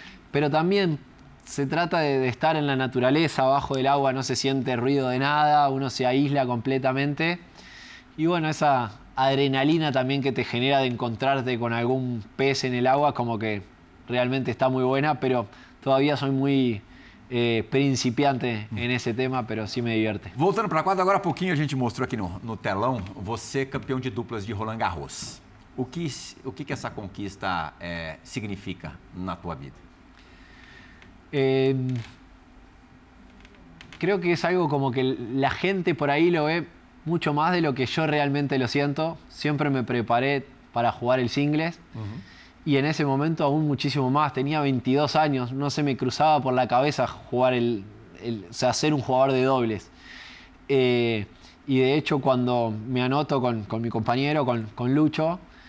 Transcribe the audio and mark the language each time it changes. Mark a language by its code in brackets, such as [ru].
[es] Pero también se trata de estar en la naturaleza, abajo del agua no se siente ruido de nada, uno se aísla completamente. Y bueno, esa adrenalina también que te genera de encontrarte con algún pez en el agua, como que realmente está muy buena, pero todavía soy muy principiante [pt] em esse tema, mas sim me diverte. Voltando para a quadra, agora há pouquinho a gente mostrou aqui no telão você campeão de duplas de Roland Garros. O que essa conquista significa na tua vida? [es] Creo que [pt] é algo como que a gente por aí lo vê muito mais do que eu realmente lo sinto. Sempre me preparei para jogar o singles. [es] Y en ese momento aún muchísimo más, tenía 22 años, no se me cruzaba por la cabeza jugar ser un jugador de dobles. Y de hecho cuando me anoto con mi compañero, con Lucho,